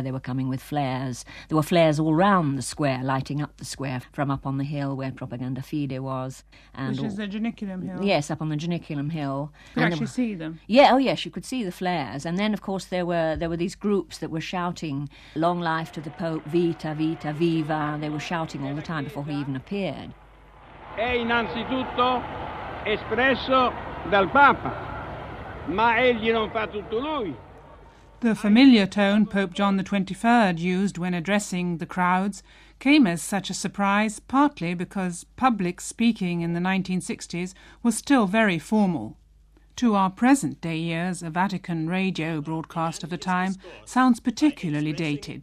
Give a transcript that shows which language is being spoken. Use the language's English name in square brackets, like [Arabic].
[English] They were coming with flares. There were flares all round the square, lighting up the square from up on the hill where Propaganda Fide was. And which is the Janiculum Hill. Yes, up on the Janiculum Hill. Could you actually see them? Yeah, oh yes, you could see the flares. And then, of course, there were these groups that were shouting, long life to the Pope, [Italian] vita, vita, viva. [English] They were shouting all the time before he even appeared. [Italian] È innanzitutto espresso dal Papa, ma egli non fa tutto lui. [English] The familiar tone Pope John XXIII used when addressing the crowds came as such a surprise, partly because public speaking in the 1960s was still very formal. To our present-day ears, a Vatican radio broadcast of the time sounds particularly dated.